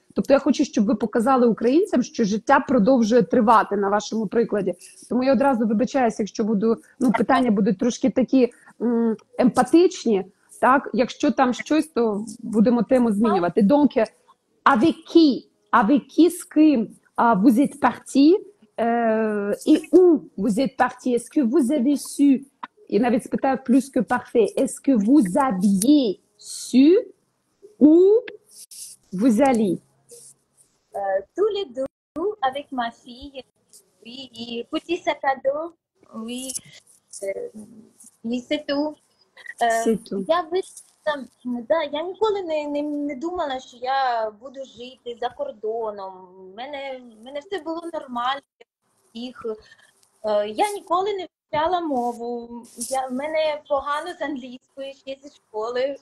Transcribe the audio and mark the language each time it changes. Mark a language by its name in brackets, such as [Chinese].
[Ukrainian] Тобто я хочу, щоб ви показали українцям, що життя продовжує тривати на вашому прикладі. Тому я одразу вибачаюся, якщо буду, ну, питання будуть трошки такі емпатичні, так? Якщо там щось, то будемо тему змінювати. [French] Donc, avec qui, [Russian] с ким [French] vous êtes parti, et où vous êtes parti, est-ce que vous avez su, [Ukrainian] і навіть спитаю [French] plus que parfait, est-ce que vous aviez su, où vous allez? Tous les deux, avec ma fille, oui, et petit sac à dos, oui, mais c'est tout. [Ukrainian] Я вийшла, да, я ніколи не думала, що я буду жити за кордоном, в мене все було нормально, я ніколи не вивчала мову. В мене погано з англійською ще зі школи.